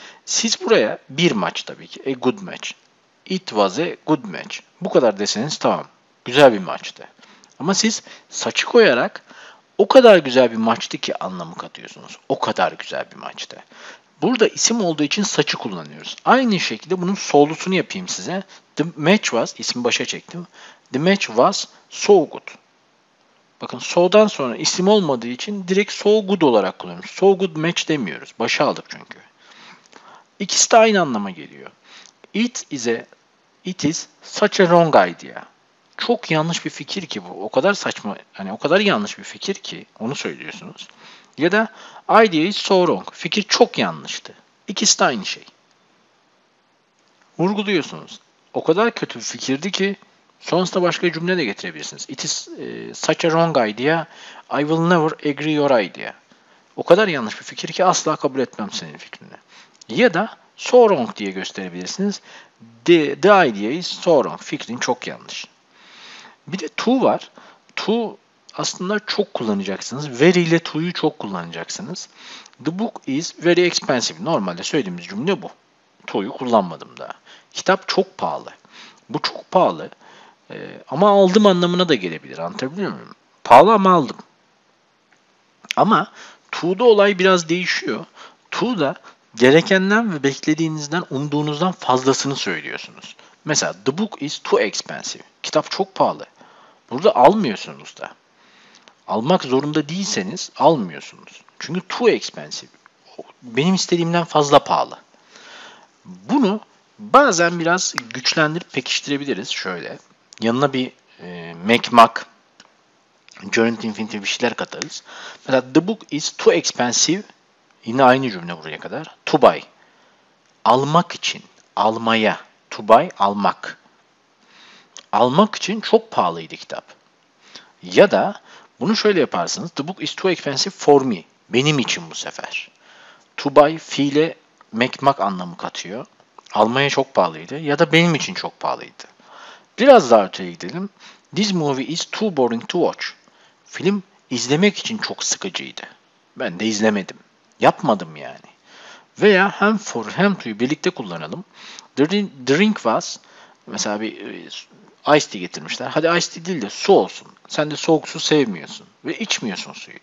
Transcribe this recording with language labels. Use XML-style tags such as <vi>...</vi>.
<tr>Siz buraya bir maç tabii ki,</tr> <en>a good match, it was a good match,</en> <tr>bu kadar deseniz tamam, güzel bir maçtı. Ama siz saçı koyarak o kadar güzel bir maçtı ki anlamı katıyorsunuz, o kadar güzel bir maçtı. Burada isim olduğu için saçı kullanıyoruz. Aynı şekilde bunun solusunu yapayım size.</tr> <en>The match was,</en> <tr>ismi başa çektim,</tr> <en>the match was so good.</en> <tr>Bakın so'dan sonra isim olmadığı için direkt so good olarak kullanıyoruz.</tr> <en>So good match</en> <tr>demiyoruz, başa aldık çünkü. İkisi de aynı anlama geliyor.</tr> <en>It is such a wrong idea.</en> <tr>Çok yanlış bir fikir ki bu. O kadar saçma, hani o kadar yanlış bir fikir ki onu söylüyorsunuz. Ya da</tr> <en>idea is so wrong.</en> <tr>Fikir çok yanlıştı. İkisi de aynı şey. Vurguluyorsunuz. O kadar kötü bir fikirdi ki sonrasında başka bir cümle de getirebilirsiniz.</tr> <en>It is such a wrong idea. I will never agree your idea.</en> <tr>O kadar yanlış bir fikir ki asla kabul etmem senin fikrini. Ya da</tr> <en>so wrong</en> <tr>diye gösterebilirsiniz. The idea is so wrong. Fikrin çok yanlış. Bir de to var. To aslında çok kullanacaksınız. Very ile to'yu çok kullanacaksınız.</tr> <en>The book is very expensive.</en> <tr>Normalde söylediğimiz cümle bu. To'yu kullanmadım daha. Kitap çok pahalı. Bu çok pahalı. Ama aldım anlamına da gelebilir. Anlatabiliyor muyum? Pahalı ama aldım. Ama to'da olay biraz değişiyor. To'da gerekenden ve beklediğinizden, umduğunuzdan fazlasını söylüyorsunuz.</tr> <en>Mesela the book is too expensive.</en> <tr>Kitap çok pahalı. Burada almıyorsunuz da. Almak zorunda değilseniz almıyorsunuz. Çünkü</tr> <en>too expensive.</en> <tr>Benim istediğimden fazla pahalı. Bunu bazen biraz güçlendirip pekiştirebiliriz. Şöyle yanına bir mac, Jonathan Infinity bir şeyler katarız.</tr> <en>Mesela the book is too expensive.</en> <tr>Yine aynı cümle buraya kadar.</tr> <en>To buy.</en> <tr>Almak için. Almaya.</tr> <en>To buy,</en> <tr>almak. Almak için çok pahalıydı kitap. Ya da Bunu şöyle yaparsınız.</tr> <en>The book is too expensive for me.</en> <tr>Benim için bu sefer.</tr> <en>To buy</en> <tr>fiile mekmak anlamı katıyor. Almaya çok pahalıydı ya da benim için çok pahalıydı. Biraz daha öteye gidelim.</tr> <en>This movie is too boring to watch.</en> <tr>Film izlemek için çok sıkıcıydı. Ben de izlemedim. Yapmadım yani. Veya hem for hem to'yu birlikte kullanalım.</tr> <en>The drink was,</en> <tr>mesela bir ice tea getirmişler. Hadi ice tea değil de su olsun. Sen de soğuk su sevmiyorsun ve içmiyorsun suyu.</tr>